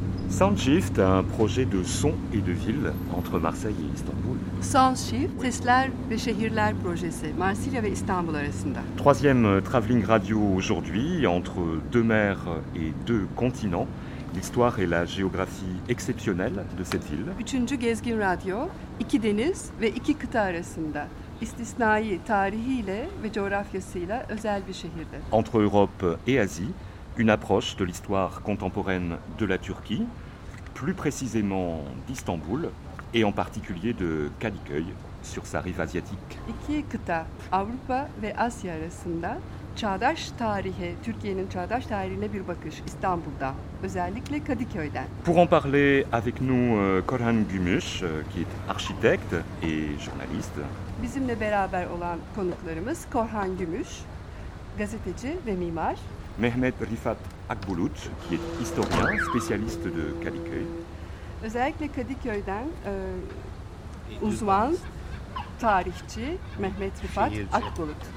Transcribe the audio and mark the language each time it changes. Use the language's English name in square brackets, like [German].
[French] Soundshift a un projet de son et de ville entre Marseille et Istanbul. [Turkish] Soundshift, sesler ve şehirler projesi Marsilya ve İstanbul arasında. [French] Troisième travelling radio aujourd'hui entre deux mers et deux continents. L'histoire et la géographie exceptionnelle de cette ville. [Turkish] Üçüncü gezgin radyo, iki deniz ve iki kıta arasında. İstisnai tarihiyle ve coğrafyasıyla özel bir şehirde. [French] Entre Europe et Asie, une approche de l'histoire contemporaine de la Turquie, plus précisément d'Istanbul, et en particulier de Kadıköy, sur sa rive asiatique. [Turkish] İki kıta, Avrupa ve Asya arasında. Çağdaş tarihe, Türkiye'nin çağdaş tarihine bir bakış İstanbul'da, özellikle Kadıköy'den. [French] Pour en parler avec nous, Korhan Gümüş, qui est architecte et journaliste. [Turkish] Bizimle beraber olan konuklarımız Korhan Gümüş, gazeteci ve mimar. [French] Mehmet Rifat Akbulut, qui est historien, spécialiste de Kadıköy. [Turkish] Özellikle Kadıköy'den uzman tarihçi Mehmet Rifat Akbulut.